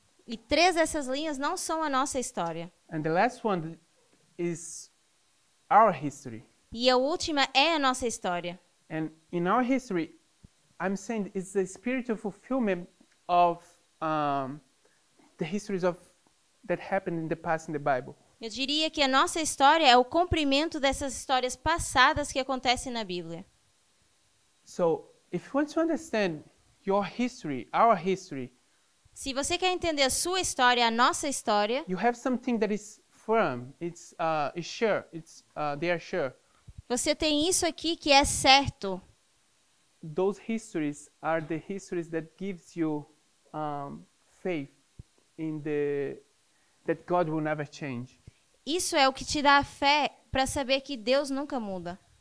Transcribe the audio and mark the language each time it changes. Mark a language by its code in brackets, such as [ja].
[pt] E três dessas linhas não são a nossa história. [en] And the last one is our history. [pt] E a última é a nossa história. [en] And in our history, I'm saying it's the spiritual fulfillment of the histories of that happened in the past in the Bible. [pt] Eu diria que a nossa história é o cumprimento dessas histórias passadas que acontecem na Bíblia. [en] So, if you want to understand your history, our history, [pt] se você quer entender a sua história, a nossa história, [en] you have something that is firm, it's sure, it's they are sure. [pt] Você tem isso aqui que é certo. [en] Those histories are the histories that gives you faith in the that God will never change. [pt] Isso é o que te dá a fé para saber que Deus nunca muda.